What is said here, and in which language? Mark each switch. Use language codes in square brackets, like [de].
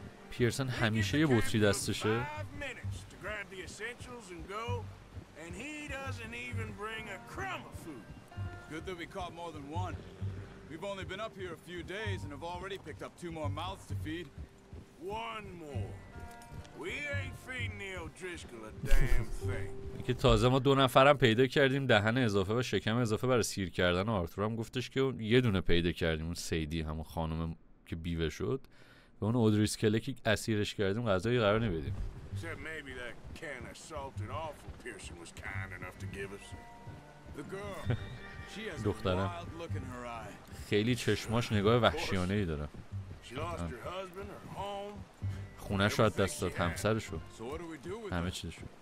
[fa] پیرسون همیشه یه بطری دستشه. [en] And he doesn't even bring a crumb of food. Good that we caught more than one. We've only been up here a few days and have already picked up two more mouths to feed. One more. We ain't feeding the O'Driscoll a damn thing. [fa] که تازه ما دو نفرم پیدا کردیم، دهن اضافه و شکم اضافه برای سیر کردن. آرتور هم گفتش که یه دونه پیدا کردیم، اون سیدی، همون خانم که بیوه شد، و اون O'Driscoll که اسیرش کردیم غذایی قرار نمیدیم. [en] Except maybe that can of salt and awful Pearson was kind enough to give us. The girl, she has a wild look in her eye. [fa] خیلی چشماش نگاه وحشیانه ای داره. [en] She lost her husband, her home. [fa] خونه‌شو از دست داد، همسرشو. همه چیزشو.